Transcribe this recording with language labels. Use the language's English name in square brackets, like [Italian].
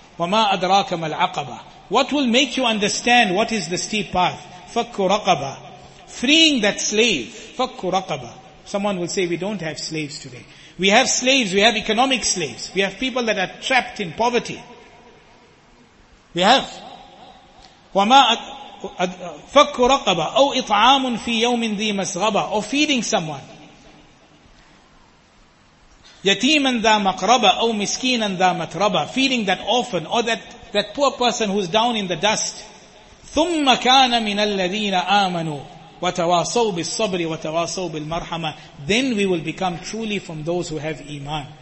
[Arabic] وَمَا أَدْرَاكَ مَا الْعَقَبَةِ [English] What will make you understand what is the steep path? [Arabic] فَكُّ رَقَبَةِ [English] Freeing that slave. [Arabic] فَكُّ رَقَبَةِ [English] Someone will say, we don't have slaves today. We have slaves, we have economic slaves. We have people that are trapped in poverty. We have. [Arabic] وَمَا فَكُّ رَقَبَةِ أَوْ إِطْعَامٌ فِي يَوْمٍ ذِي مَسْغَبَةِ [English] Or feeding someone. [Arabic] يَتِيمًا ذَا مَقْرَبَ أَوْ مِسْكِينًا ذَا مَتْرَبَ [English] Feeding that orphan or that poor person who's down in the dust. [Arabic] ثُمَّ كَانَ مِنَ الَّذِينَ آمَنُوا وَتَوَاصَوْا بِالصَّبْرِ وَتَوَاصَوْا بِالْمَرْحَمَةِ [English] Then we will become truly from those who have Iman.